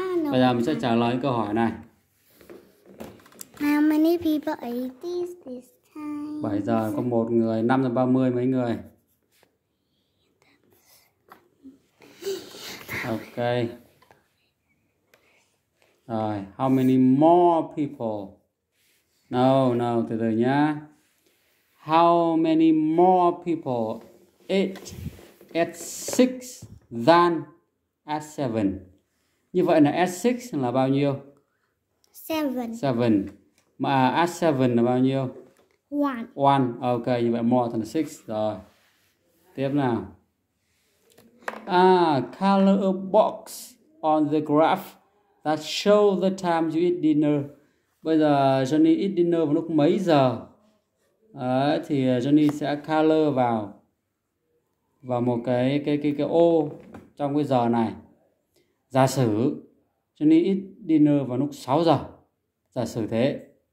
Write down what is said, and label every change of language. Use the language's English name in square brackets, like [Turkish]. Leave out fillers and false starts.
[Vietnamese] Bây giờ mình sẽ trả lời câu hỏi này. [English] How many people ate this time? [Vietnamese] 7 giờ có 1 người, 5 giờ 30 mấy người? [English] Ok. [Vietnamese] Rồi, [English] how many more people? No, [Vietnamese] từ từ nhá. [English] How many more people ate at 6 than at 7? [Vietnamese] Như vậy là [English] at 6 [Vietnamese] là bao nhiêu? 7. Mà [English] at 7 [Vietnamese] là bao nhiêu? 1. Ok, như vậy [English] more than 6. [Vietnamese] Rồi. Tiếp nào. [English] Color a box on the graph that shows the time you eat dinner. [Vietnamese] Bây giờ Johnny [English] eat dinner [Vietnamese] vào lúc mấy giờ? Đấy, thì Johnny sẽ color vào một cái ô trong cái giờ này. Giả sử Johnny [English] eat dinner [Vietnamese] vào lúc 6 giờ. Giả sử thế.